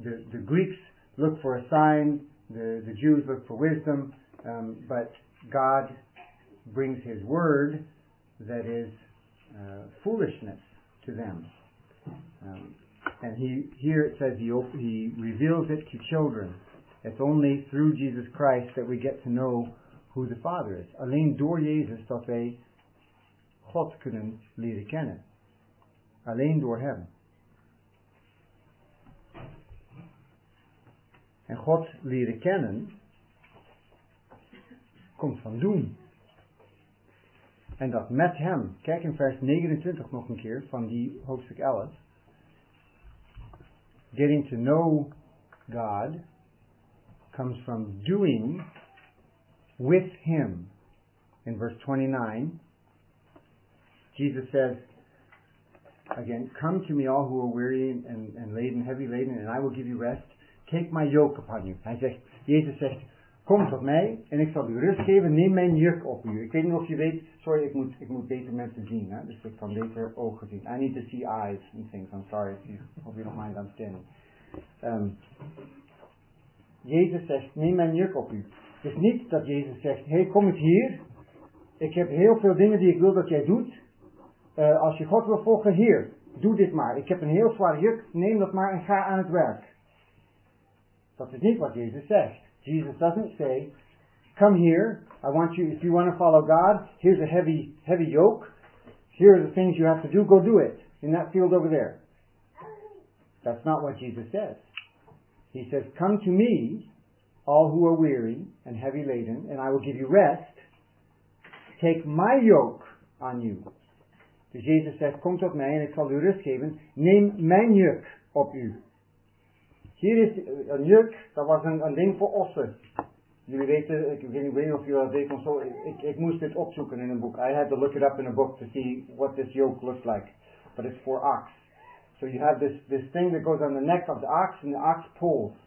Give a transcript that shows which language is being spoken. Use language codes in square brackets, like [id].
[en] The Greeks look for a sign, the Jews look for wisdom, but God brings his word that is foolishness to them. And here it says he reveals it to children. It's only through Jesus Christ that we get to know who the Father is. [nl] Alleen door Jezus dat wij God kunnen leren kennen. Alleen door hem. En God leren kennen komt van doen. En dat met hem. Kijk in vers 29 nog een keer van die hoofdstuk 11. [en] Getting to know God comes from doing with him. In verse 29, Jesus says, again, come to me all who are weary and laden, heavy laden, and I will give you rest. Take my yoke upon you. [nl] Hij zegt, Jezus zegt, kom tot mij en ik zal u rust geven. Neem mijn juk op u. Ik weet niet of je weet, sorry, ik moet beter mensen zien. Hè? Dus ik kan beter ogen zien. [en] I need to see eyes and things. I'm sorry, if you, hope you don't mind, I'm standing. [nl] Jezus zegt, neem mijn juk op u. Het is niet dat Jezus zegt, hey, kom eens hier. Ik heb heel veel dingen die ik wil dat jij doet. Als je God wil volgen, hier, doe dit maar. Ik heb een heel zwaar juk, neem dat maar en ga aan het werk. Dat is niet wat Jezus zegt. [en] Jesus doesn't say, come here, I want you, if you want to follow God, here's a heavy, heavy yoke, here are the things you have to do, go do it, in that field over there. That's not what Jesus says. He says, come to me, all who are weary and heavy laden, and I will give you rest. Take my yoke on you. So Jesus says, [nl] kom tot mij, en ik zal u rust geven, neem mijn juk op u. Hier is een juk, dat was een ding voor ossen. Jullie weten, ik weet niet of jullie dat weten of zo, ik moest dit opzoeken in een boek. [en] I had to look it up in a book to see what this yoke looks like. But it's for ox. So you have this thing that goes on the neck of the ox, and the ox pulls.